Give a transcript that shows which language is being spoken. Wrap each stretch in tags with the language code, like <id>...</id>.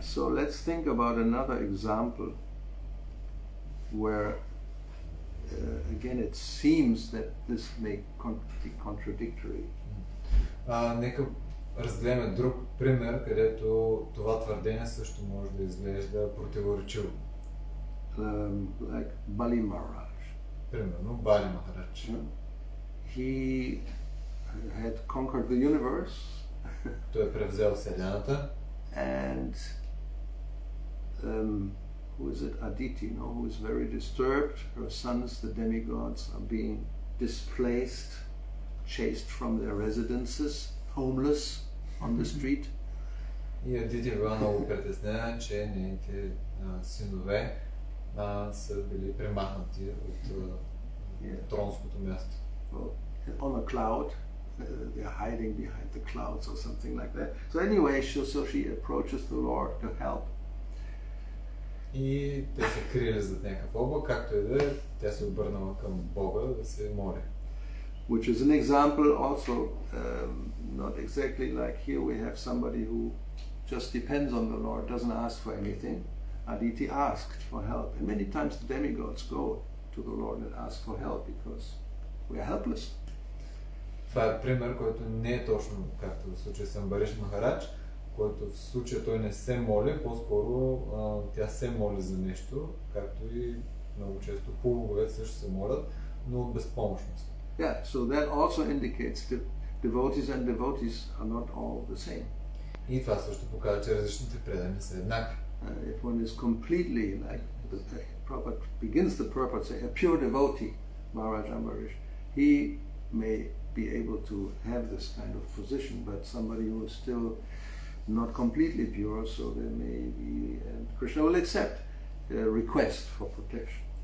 <en>So let's think about another example where again it seems that this may be contradictory.</en> <bg>Нека разгледаме друг пример, където това твърдение също може да изглежда противоречиво.</bg> <en>Like Bali Maharaj.</en> <bg>Примерно Бали Махарадж.</bg> <en>He had conquered the universe.</en> <bg>Той е превзел вселената.</bg> <en>And who is it? Aditi, no? Who is very disturbed. Her sons, the demigods, are being displaced, chased from their residences, homeless on the street.</en> <bg>И Адити е много притеснена, че нейните синове са били премахнати от тронското място.</bg> <en>On a cloud. they are hiding behind the clouds or something like that. So anyway, she approaches the Lord to help.</en> <bg>И те се криле зад някакъв облак, както и да, тя се обърнала към Бога да се моли.</bg> <en>Which is an example also, not exactly like here we have somebody who just depends on the Lord, doesn't ask for anything. Aditi asked for help, and many times the demigods go to the Lord and ask for help because we are helpless.</en> <bg>Това е пример, който не е точно както в случая с Амбариш Махарадж, който в случая той не се моли, по-скоро тя се моли за нещо, както и много често полубове също се молят, но от безпомощност.</bg> <en>Yeah, so that also indicates that devotees and devotees are not all the same.</en> <bg>И това също показва, че различните предани са еднакви.</bg> <en>If one is completely like the Prabhupada begins the purport, say a pure devotee, Maharaj Ambarish, he may be able to have this kind of position, but somebody who is still not completely pure, so there may be, and Krishna will accept a request for protection.</en>